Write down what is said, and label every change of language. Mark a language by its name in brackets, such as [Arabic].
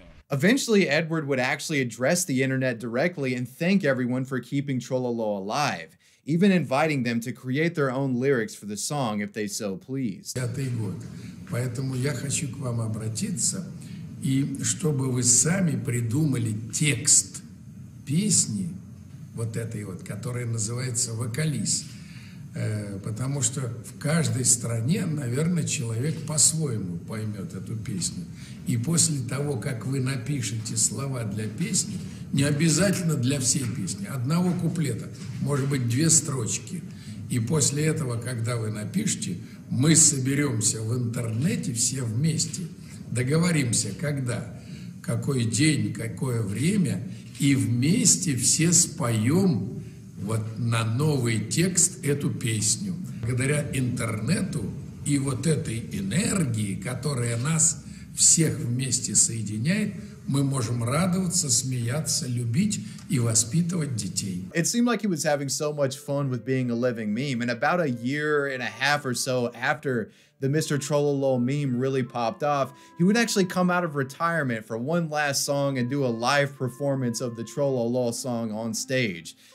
[English] Eventually, Edward would actually address the internet directly and thank everyone for keeping Trololo alive, even inviting them to create their own lyrics for the song if they so pleased. [Russian] Поэтому я хочу к вам обратиться, и чтобы вы сами придумали текст песни, вот этой вот, которая называется «Вокализ». Потому что в каждой стране, наверное, человек по-своему поймет эту песню. И после того, как вы напишете слова для песни, не обязательно для всей песни, одного куплета, может быть, две строчки. И после этого, когда вы напишете, мы соберемся в интернете все вместе, договоримся, когда, какой день, какое время, и вместе все споем вот на новый текст эту песню. Благодаря интернету и вот этой энергии, которая нас всех вместе соединяет, мы можем радоваться, смеяться, любить и воспитывать детей. [English] It seemed like he was having so much fun with being a living meme, and about a year and a half or so after the Mr. Trololo meme really popped off, he would actually come out of retirement for one last song and do a live performance of the Trololo song on stage.